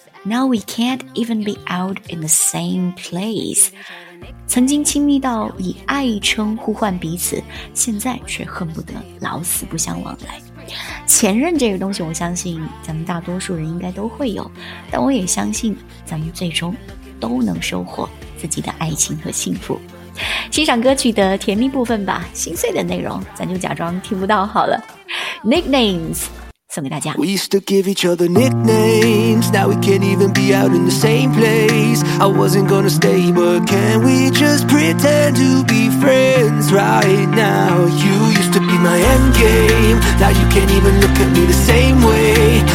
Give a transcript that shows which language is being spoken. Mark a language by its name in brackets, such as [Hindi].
[English] Now we can't even be out in the same place. [Chinese] 曾经亲密到以爱称呼唤彼此，现在却恨不得老死不相往来。前任这个东西，我相信咱们大多数人应该都会有，但我也相信咱们最终都能收获自己的爱情和幸福。欣赏歌曲的甜蜜部分吧，心碎的内容咱就假装听不到好了。 Nicknames 送给大家。 [English] We used to give each other nicknames. Now we can't even be out in the same place. I wasn't gonna stay, but can we just pretend to be friends right now? You used to be my endgame. Now you can't even look at me the same way.